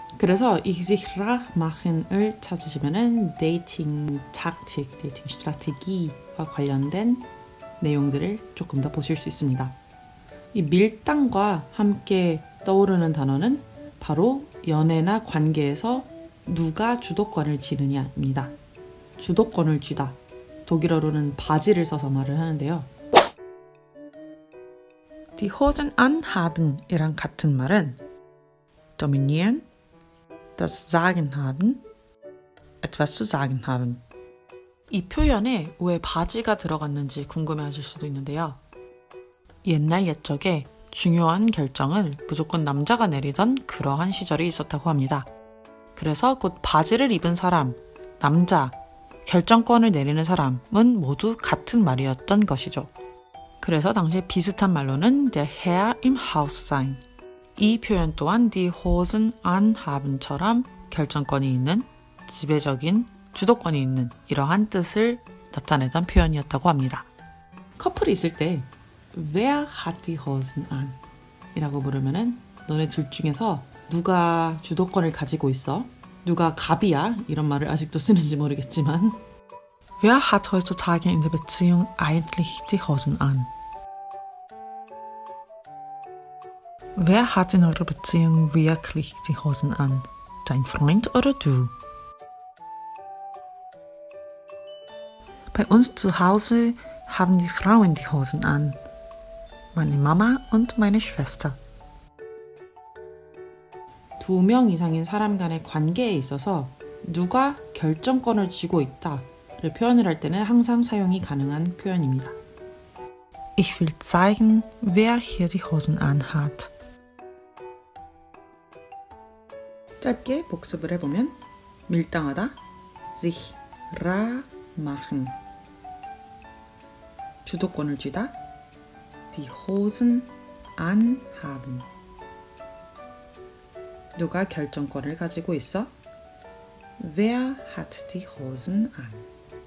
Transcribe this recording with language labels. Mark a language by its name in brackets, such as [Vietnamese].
[Korean] 그래서 [German] sich rar machen [Korean] 을 찾으시면은 [English] dating tactic, dating strategy [Korean] 와 관련된 내용들을 조금 더 보실 수 있습니다. 이 밀당과 함께 떠오르는 단어는 바로 연애나 관계에서 누가 주도권을 쥐느냐입니다. 주도권을 쥐다. 독일어로는 바지를 써서 말을 하는데요. [German] Die Hosen anhaben이랑 [Korean] 같은 말은 [German] dominieren, das Sagen haben, etwas zu sagen haben. [Korean] 이 표현에 왜 바지가 들어갔는지 궁금해하실 수도 있는데요. 옛날 옛적에 중요한 결정을 무조건 남자가 내리던 그러한 시절이 있었다고 합니다. 그래서 곧 바지를 입은 사람, 남자, 결정권을 내리는 사람은 모두 같은 말이었던 것이죠. 그래서 당시에 비슷한 말로는 [German] der Herr im Haus sein. [Korean] 이 표현 또한 [German] die Hosen anhaben [Korean] 처럼 결정권이 있는, 지배적인, 주도권이 있는 이러한 뜻을 나타내던 표현이었다고 합니다. 커플이 있을 때 [German] Wer hat die Hosen an? [Korean] 이라고 물으면은 너네 둘 중에서 누가 주도권을 가지고 있어? 누가 갑이야? 이런 말을 아직도 쓰는지 모르겠지만 [German] Wer hat heutzutage in der Beziehung eigentlich die Hosen an? Wer hat in eurer Beziehung wirklich die Hosen an? Dein Freund oder du? Bei uns zu Hause haben die Frauen die Hosen an. Meine Mama und meine Schwester. [Korean] 두 명 이상인 사람 간의 관계에 있어서 누가 결정권을 쥐고 있다를 표현을 할 때는 항상 사용이 가능한 표현입니다. [German] Ich will zeigen, wer hier die Hosen anhat. [Korean] 짧게 복습을 해보면 밀당하다, [German] sich rar machen. [Korean] 주도권을 쥐다, [German] die Hosen anhaben. [Korean] 누가 결정권을 가지고 있어? [German] Wer hat die Hosen an?